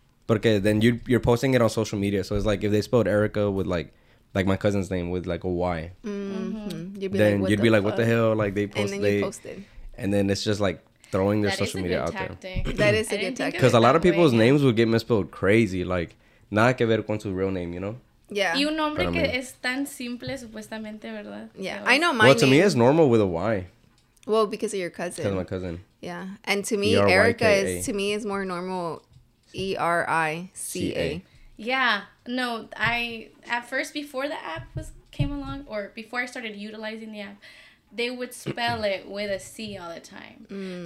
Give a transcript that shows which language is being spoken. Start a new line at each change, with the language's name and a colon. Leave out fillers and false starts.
English: Porque then you're posting it on social media. So it's like if they spelled Erica with like my cousin's name with like a Y. Mm-hmm. Then you'd be like, what the hell? Like they posted. And then you posted. And then it's just like. Throwing their social media out there. That is a good tactic. Because a lot of people's names would get misspelled crazy. Like,
Spanish: nada que ver con su
English: real name, you know? Yeah.
Spanish: Y un nombre que es tan simple, supuestamente, ¿verdad?
English: Yeah. I know my name. Well, to me, it's normal with a Y. Well, because of your cousin. Because of my cousin. Yeah. And to me, Erica is, to me, is more normal. E-R-I-C-A. Yeah. No, at first, before the app came along, or before I started utilizing the app, they would spell it with a C all the time. Mm.